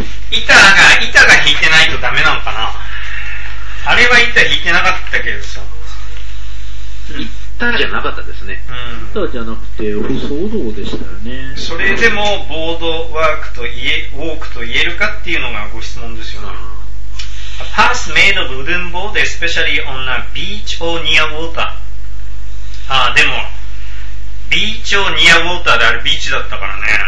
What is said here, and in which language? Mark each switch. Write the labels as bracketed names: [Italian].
[Japanese] 板が引いてないとダメなのかな？あれは板引いてなかったけどさ。板じゃなかったですね。うん、板じゃなくて、舗装道でしたよね。それでも、ボードワークと言え、ウォークと言えるかっていうのがご質問ですよね。 [English] A path made of wooden board, especially on a beach or near water. [Japanese] ああ、でも、ビーチ [English] or near water [Japanese] であれビーチだったからね。